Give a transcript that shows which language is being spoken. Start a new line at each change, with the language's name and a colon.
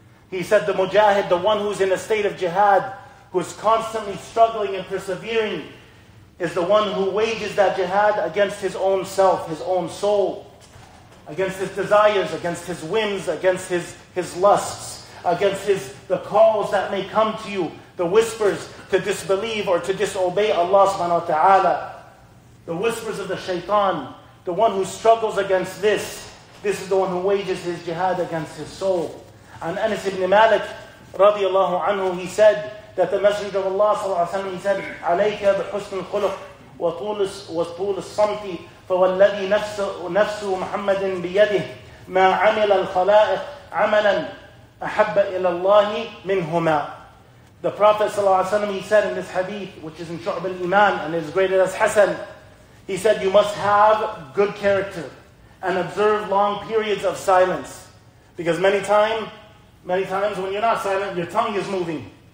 English: He said, the mujahid, the one who's in a state of jihad, who's constantly struggling and persevering, is the one who wages that jihad against his own self, his own soul, against his desires, against his whims, against his lusts, against the calls that may come to you, the whispers to disbelieve or to disobey Allah subhanahu wa ta'ala, the whispers of the shaitan, the one who struggles against this is the one who wages his jihad against his soul. And Anas ibn Malik radiallahu anhu, he said that the Messenger of Allah صلى الله عليه وسلم, he said,
Arabic: عَلَيْكَ بِحُسْنِ الْخُلُقِ وَطُولِ الصَّمْتِ فَوَالَّذِي نَفْسُ مُحَمَّدٍ بِيَدِهِ مَا عَمِلَ الْخَلَائِقِ عَمَلًا أَحَبَّ إِلَى اللَّهِ مِنْهُمَا.
English: The Prophet صلى الله عليه وسلم, he said in this hadith, which is in شُعْبِ الْإِيمَانِ and is graded as Hassan, he said, you must have good character and observe long periods of silence. Because many times when you're not silent, your tongue is moving.